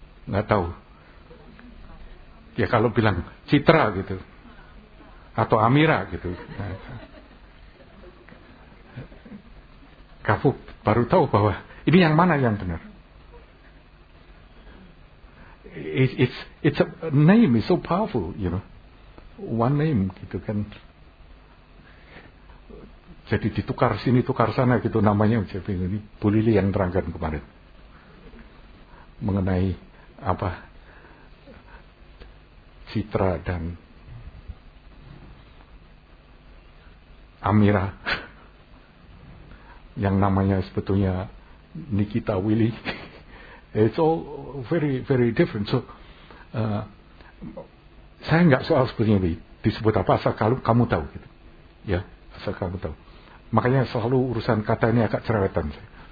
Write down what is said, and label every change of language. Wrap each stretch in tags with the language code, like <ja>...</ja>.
<id>Enggak tahu. Ya kalau bilang Citra gitu. atau Amira gitu. Kamu baru tahu bahwa ini yang mana yang benar.</id> <en>It's a name is so powerful, you know. One name gitu kan.</en> <id>Jadi ditukar sini tukar sana gitu namanya seperti ini. Bu Lili yang terangkan kemarin mengenai apa Citra dan Amira yang namanya sebetulnya Nikita Willy.</id> <en>It's all very very different.</en> <id>So saya enggak soal sebetulnya ini disebut apa asal kalau kamu tahu gitu. Ya, asal kamu tahu. Makanya selalu urusan kata ini agak cerewetan saya.</id>